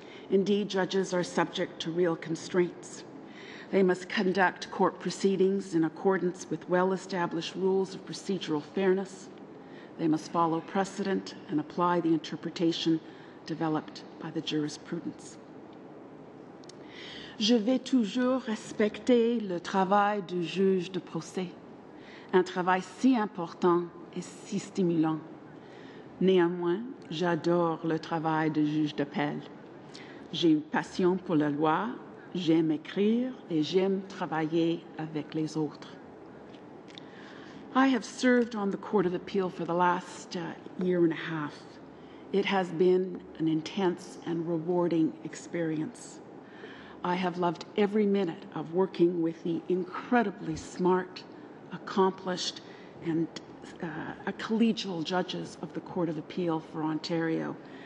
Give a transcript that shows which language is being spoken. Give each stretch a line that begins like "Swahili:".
English: Indeed, judges are subject to real constraints. They must conduct court proceedings in accordance with well-established rules of procedural fairness. They must follow precedent and apply the interpretation developed by the jurisprudence.
French: Je vais toujours respecter le travail du juge de procès, un travail si important et si stimulant. Néanmoins, j'adore le travail de juge d'appel. J'ai une passion pour la loi, j'aime écrire et j'aime travailler avec les autres.
English: I have served on the Court of Appeal for the last year and a half. It has been an intense and rewarding experience. I have loved every minute of working with the incredibly smart, accomplished, and collegial judges of the Court of Appeal for Ontario.